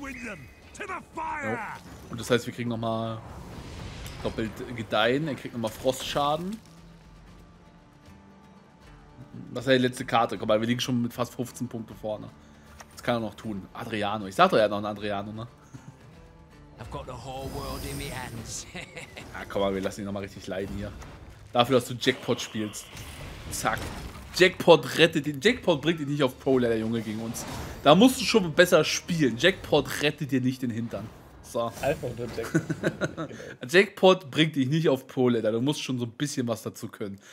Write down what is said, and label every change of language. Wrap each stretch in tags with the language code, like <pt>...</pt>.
<en>with them. To the fire. Oh.</en> <de>Und das heißt, wir kriegen nochmal doppelt Gedeihen. Er kriegt nochmal Frostschaden. Das ist ja die letzte Karte. Komm mal, wir liegen schon mit fast 15 Punkten vorne. Das kann er noch tun. Adriano. Ich sag doch, er hat noch einen Adriano, ne?</de> <en>I've got the whole world in my hands.</en> <de>Ja, komm mal, wir lassen ihn nochmal richtig leiden hier. Dafür, dass du Jackpot spielst. Zack. Jackpot rettet ihn. Jackpot bringt ihn nicht auf Pro, der Junge, gegen uns. Da musst du schon besser spielen. Jackpot rettet dir nicht den Hintern. So. Einfach nur Jackpot. Jackpot bringt dich nicht auf Pro-Ladder. Du musst schon so ein bisschen was dazu können.</de>